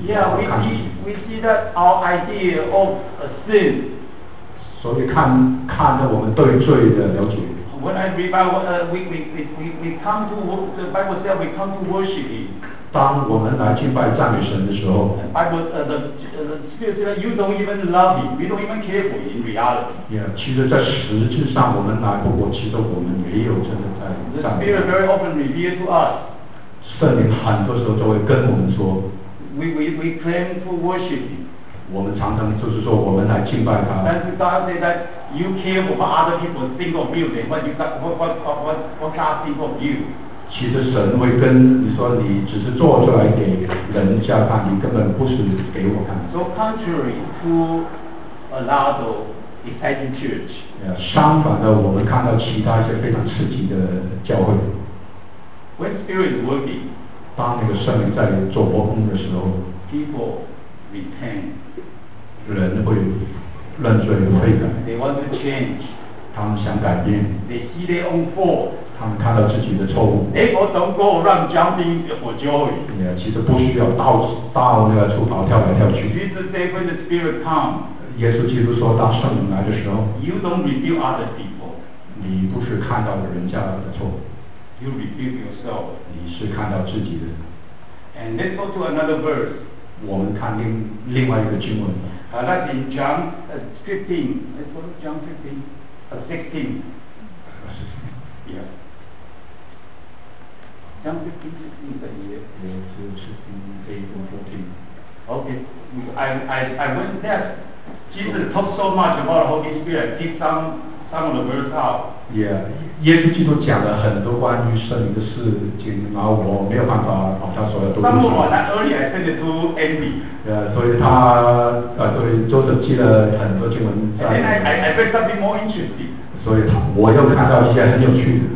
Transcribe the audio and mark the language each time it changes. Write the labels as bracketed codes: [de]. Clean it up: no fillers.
[en] Yeah, we see that our idea of a sin. [zh] 所以看着我们对罪的了解。 [en] When I read Bible, we come to the Bible says we come to worship Him. [zh] 当我们来敬拜赞美神的时候 [en] ，Bible, the Spirit says you don't even love Him, we don't even care for Him in reality. [zh] 其实在实质上我们来不过，其实我们没有真的在赞美。 [en] The Spirit very often reveals to us. [zh] 圣灵很多时候都会跟我们说 [en] ，We claim to worship Him. [zh] 我们常常就是说，我们来敬拜他。但是 [en] God says that you care for other people, think of you, then what you got, what God think of you? [zh] 其实神会跟你说，你只是做出来给人家看，你根本不是给我看。 [en] So contrary to a lot of exciting church. [zh] 相反的，我们看到其他一些非常刺激的教会。 [en] When Spirit is working, [zh] 当那个圣灵在做活工的时候 [en] ，people repent. [zh] 人会认罪悔改。 [en] They want to change. [zh] 他们想改变。 [en] They see their own fault. [zh] 他们看到自己的错误。 [en] They don't go around jumping for joy. [zh] 其实不需要到那个处跑跳来跳去。 [en] Jesus said when the Spirit comes. [zh] 耶稣基督说，当圣灵来的时候。 [en] You don't review other people. [zh] 你不是看到人家的错。 [en] You review yourself. [zh] 你是看到自己的。 [en] And let's go to another verse. [zh] 我们看另外一个经文。 [en] That's in John 15, it was John 15, 16. Yeah. John 15, 16 is here. Yeah, 16, 18, 14. Okay, I went there. Jesus talked so much about the Holy Spirit, keep some of the words out. [zh] Yeah, 耶稣基督讲了很多关于圣灵的事情，然后我没有办法把他所有都读出来。那么我 [en] earlier I sent it to Andy。 [zh] 所以他所以作者记了很多经文在。 [en] And then I read something more interesting。 [zh] 所以我又看到一些很有趣的。